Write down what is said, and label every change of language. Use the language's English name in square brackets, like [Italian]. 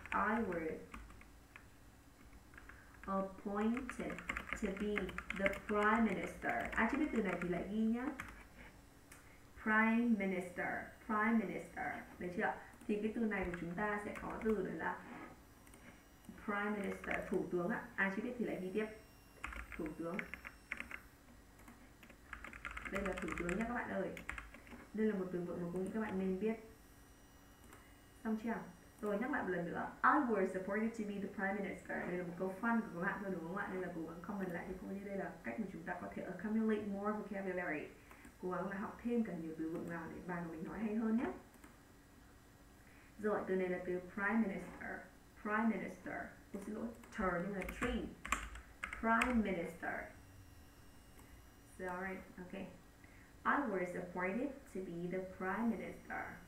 [English] I was appointed to be the prime minister. [Vietnamese] Ai chưa biết từ này thì lại ghi nhá. Prime minister. Đấy chưa? Thì cái từ này của chúng ta sẽ có từ đấy là Prime Minister, thủ tướng ạ. Ai chưa biết thì lại ghi tiếp. Thủ tướng. Đây là thủ tướng nha các bạn ơi. Đây là một từ vựng mà cô nghĩ các bạn nên biết. Xong chưa? Rồi nhắc lại một lần nữa. [English] I was appointed to be the Prime Minister. [Vietnamese] Đây là một câu fun của các bạn thôi đúng không ạ? Nên là cố gắng comment lại thì cũng như đây là cách mà chúng ta có thể [English] accumulate more vocabulary. [Vietnamese] Cố gắng là học thêm cả nhiều từ vựng nào để bài của mình nói hay hơn nhé. Rồi, từ này là từ Prime Minister. Prime Minister, tôi xin lỗi, tr nhưng là tree. [English] Prime Minister. Sorry, okay. I was appointed to be the Prime Minister.